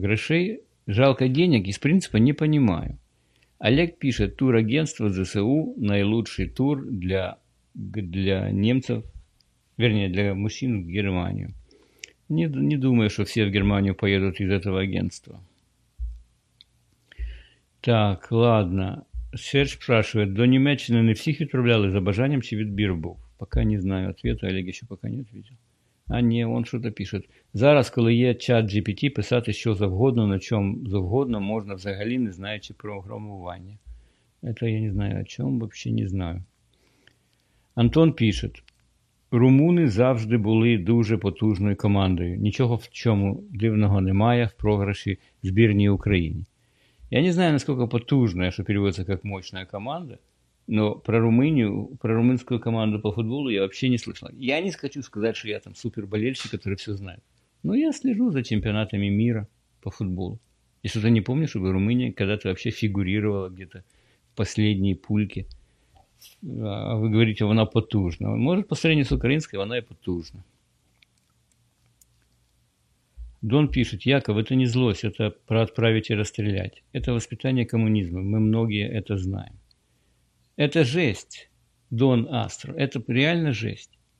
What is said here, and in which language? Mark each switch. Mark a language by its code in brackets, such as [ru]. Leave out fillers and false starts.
[ru] Грошей? Жалко денег? Из принципа не понимаю. Олег пишет. Турагентство ЗСУ – наилучший тур для немцев. Вернее, для мужчин в Германию. Не думаю, что все в Германию поедут из этого агентства. Так, ладно. Серж спрашивает, [uk] до Німеччини не всіх відправляли за бажанням чи відбір був? [ru] Пока не знаю ответа, Олег еще пока не ответил. А не, он что-то пишет. [uk] Зараз, коли є чат GPT, писати що завгодно, на чому завгодно, можна взагалі не знаючи програмування. [ru] Это я не знаю, о чем вообще не знаю. Антон пишет. [uk] Румуни завжди були дуже потужною командою. Нічого в чому дивного немає в програші збірній України. Я не знаю, наскільки потужна, що переводиться як мощна команда, але про Румунію, про румунську команду по футболу я взагалі не слышала. Я не хочу сказати, що я там суперболельщик, який все знає. [ru] Ну, я слежу [uk] за чемпіонатами міра по футболу. І що-то не пам'ятаю, щоб Румунія коли-то взагалі фігурувала где-то в последній пульке. [ru] А вы говорите, она потужна. Может, по сравнению с украинской, она и потужна. Дон пишет, Яков, это не злость, это про отправить и расстрелять. Это воспитание коммунизма, мы многие это знаем. Это жесть, Дон Астро, это реально жесть.